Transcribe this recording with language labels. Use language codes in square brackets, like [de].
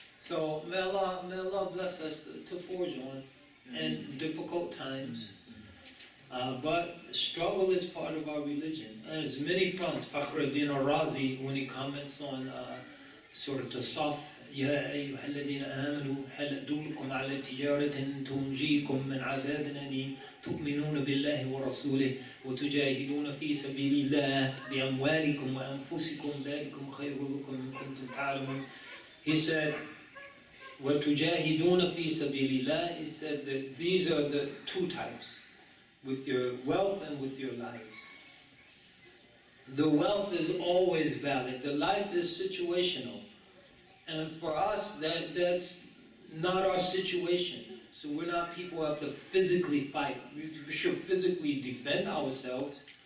[en] So may Allah bless us to forge on in difficult times. But struggle is part of our religion. And there's many fronts. Fakhruddin al-Razi, when he comments on Surah As-Saff, [ar] يَا أَيُّهَا الَّذِينَ آمَنُوا حَلَّدُّوكُمْ عَلَى تِجَارَةٍ تُنْجِيكُمْ مِنْ عَذَابٍ أَلِيمٍ تُؤْمِنُونَ بِاللَّهِ وَرَسُولِهِ وَتُجَاهِدُونَ فِي سَبِيلِ اللَّهِ بِأَمْوَالِكُمْ وَأَنفُسِكُمْ ذَلِكُمْ خَيْرٌ لَكُمْ إِنْ كُنْتُمْ تَعْلَمُونَ. [en] He said, [ar] وَتُجَاهِدُونَ فِي سَبِيلِ اللَّهِ. [en] He said that these are the two types, with your wealth and with your lives. The wealth is always valid. The life is situational. And for us, that's not our situation. So we're not people who have to physically fight. We should physically defend ourselves.